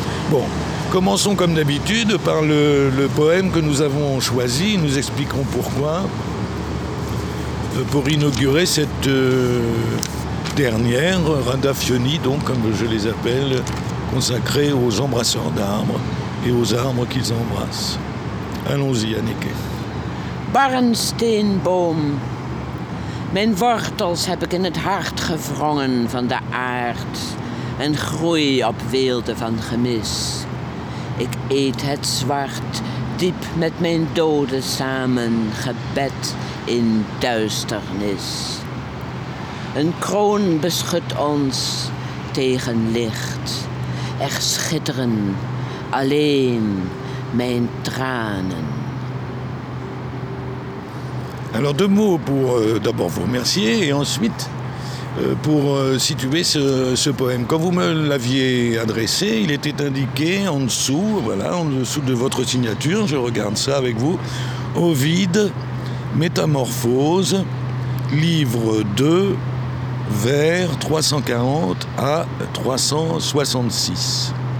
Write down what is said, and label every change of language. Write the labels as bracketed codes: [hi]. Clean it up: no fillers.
[fr] Bon, commençons comme d'habitude par le poème que nous avons choisi. Nous expliquerons pourquoi, pour inaugurer cette dernière, Randa Fioni, donc, comme je les appelle, consacrée aux embrasseurs d'arbres et aux arbres qu'ils embrassent. Allons-y, Anneke. [nl] Barnsteenboom, mijn wortels heb ik in het hart gewrongen van de aard. en groei op weelde van gemis. Ik eet het zwart, diep met mijn doden samen, gebed in duisternis. Een kroon beschut ons tegen licht. Er schitteren alleen mijn tranen. [fr] Alors deux mots pour d'abord vous remercier et ensuite pour situer ce poème. Quand vous me l'aviez adressé, il était indiqué en dessous, voilà, en dessous de votre signature, je regarde ça avec vous, Ovide, Métamorphose, livre 2, vers 340 à 366.